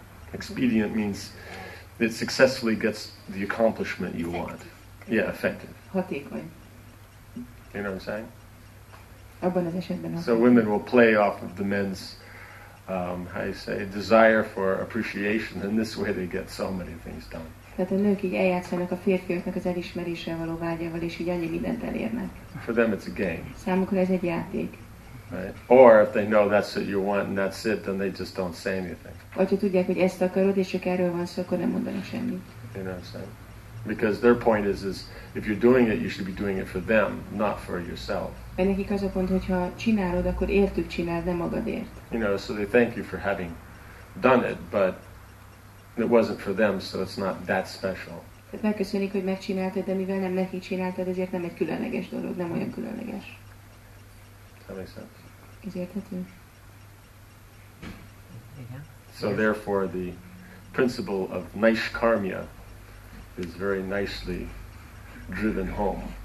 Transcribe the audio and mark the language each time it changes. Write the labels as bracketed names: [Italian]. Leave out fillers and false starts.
[English] Expedient means it successfully gets the accomplishment you want. Yeah, effective. [Hungarian] Hatékony. [English] You know what I'm saying? [Hungarian] Abban az esetben, [English] so women will play off of the men's, how you say, desire for appreciation, and this way they get so many things done. [Hungarian] Tehát a nők így eljátszanak a férfiaknak az elismerésre való vágyával, és így annyi mindent elérnek. [English] For them it's a game. [Hungarian] Számukra ez egy játék. [English] Right. Or if they know that's what you want and that's it, then they just don't say anything. [Hungarian] Vagy ha tudják, hogy ezt akarod, és csak erről van szó, akkor nem mondanak semmit. [English] You know what I'm saying? Because their point is if you're doing it, you should be doing it for them, not for yourself. [Hungarian] De nekik az a pont, hogyha csinálod, akkor értük csinálod, nem magadért. [English] You know, so they thank you for having done it, but it wasn't for them, so it's not that special. [Hungarian] Megköszönik, hogy megcsináltad, de mivel nem neki csináltad, ezért nem egy különleges dolog, nem olyan különleges. Ez érthető? Igen. [English] So therefore the principle of naiskarmia is very nicely driven home.